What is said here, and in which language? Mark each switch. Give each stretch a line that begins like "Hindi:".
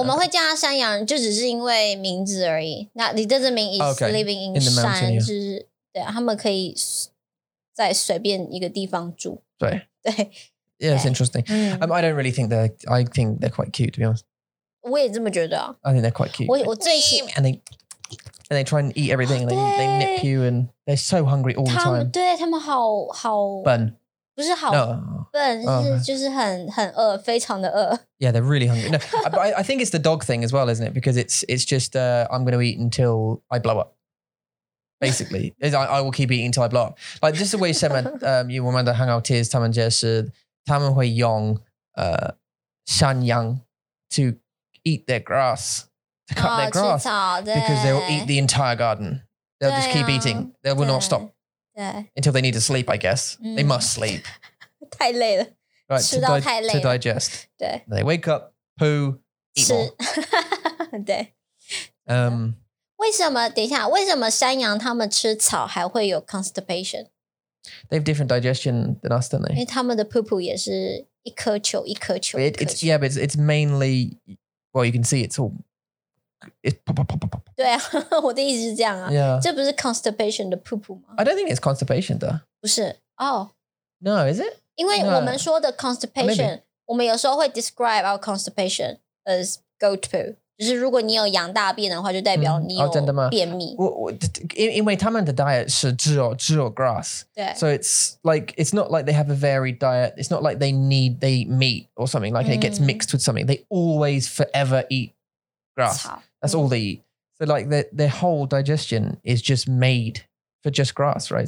Chinese: 我们会叫他山羊，就只是因为名字而已。
English: 那 it doesn't mean he's living in the mountain.
Chinese: 就是对，他们可以在随便一个地方住。对对。
English: Yeah, it's interesting. I don't really think they're. I think they're quite cute, to be honest.
Chinese: 我也这么觉得。
English: I think they're quite cute.
Chinese: 我最喜欢。
English: And they try and eat everything, and they nip you, and they're so hungry all the time.
Chinese: 对他们好好笨，不是好笨，就是很饿，非常的饿。
English: Yeah, they're really hungry. No, but I think it's the dog thing as well, isn't it? Because it's just I'm going to eat until I blow up. Basically, I will keep eating until I blow up. Like just the way Sema, you remember the hangout tears,
Chinese: 他们就是他们会用山羊
English: to eat their grass. Cut their grass because they will eat the entire garden. They'll just keep eating. They will not stop until they need to sleep, I guess. They must sleep.
Chinese: 太累了
English: Right,
Chinese: 吃到太累了
English: to digest. They wake up, poo, eat more.
Chinese: 对。为什么,等一下,为什么山羊他们吃草还会有 constipation?
English: They have different digestion than us, don't they?
Chinese: 因为他们的 poo 也是一颗球,一颗球,一颗球。
English: Yeah, but it's mainly, well, you can see it's all...
Chinese: 对啊，我的意思是这样啊。
English: Yeah.
Chinese: 这不是 constipation 的 poo 吗
English: ？I don't think it's constipation, though.
Chinese: 不是哦。Oh.
English: No, is it?
Chinese: 因为我们说的 constipation, 我们有时候会
English: describe our constipation as goat poo.
Chinese: 就是如果你有羊大便的话，就代表你有便秘。真的吗？因为他们的 diet 是只有 grass. 对。
English: So it's not like they have a varied diet. It's not like they eat meat or something. Like it gets mixed with something. They always forever eat. Grass. That's all they eat. So like their whole digestion is just made for just grass, right?